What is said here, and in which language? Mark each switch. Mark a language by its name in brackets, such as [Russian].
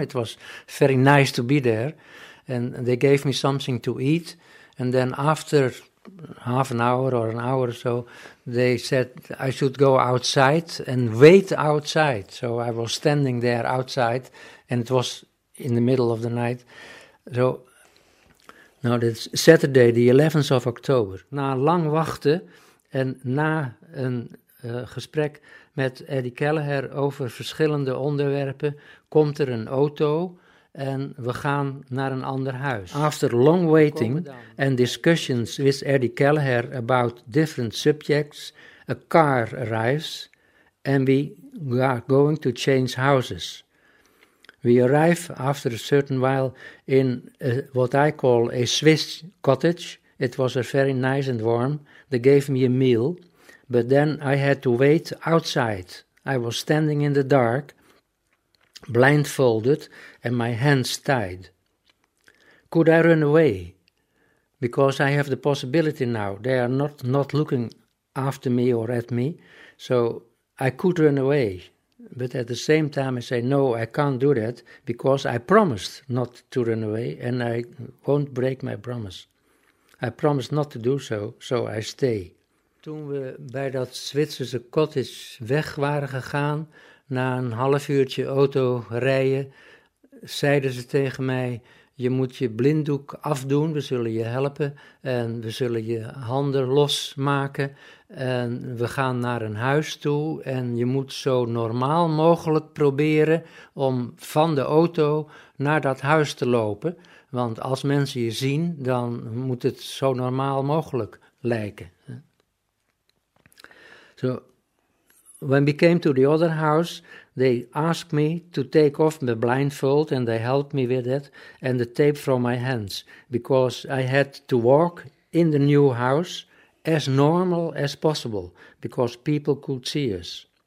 [English] It was very nice to be there, and they gave me something to eat, and then after half an hour or an hour or so, they said I should go outside and wait outside. So I was standing there outside, and it was in the middle of the night. So now it's Saturday, the 11th of October. [Dutch] Na lang wachten en na een gesprek met Eddie Kelleher over verschillende onderwerpen, komt er een auto en we gaan naar een ander huis. [English] After long waiting and discussions with Eddie Kelleher about different subjects, a car arrives and we are going to change houses. We arrive after a certain while in what I call a Swiss cottage. It was very nice and warm. They gave me a meal, but then I had to wait outside. I was standing in the dark, blindfolded, and my hands tied. Could I run away? Because I have the possibility now. They are not looking after me or at me. So I could run away. But at the same time I say, no, I can't do that, because I promised not to run away, and I won't break my promise. I promised not to do so, so I stay. [Dutch] Toen we bij dat Zwitserse cottage weg waren gegaan, na een half uurtje auto rijden, zeiden ze tegen mij, je moet je blinddoek afdoen, we zullen je helpen en we zullen je handen losmaken en we gaan naar een huis toe en je moet zo normaal mogelijk proberen om van de auto naar dat huis te lopen, want als mensen je zien, dan moet het zo normaal mogelijk lijken. Zo. [English] When we came to the other house, they asked me to take off my blindfold, and they helped me with that, and the tape from my hands, because I had to walk in the new house as normal as possible, because people could see us.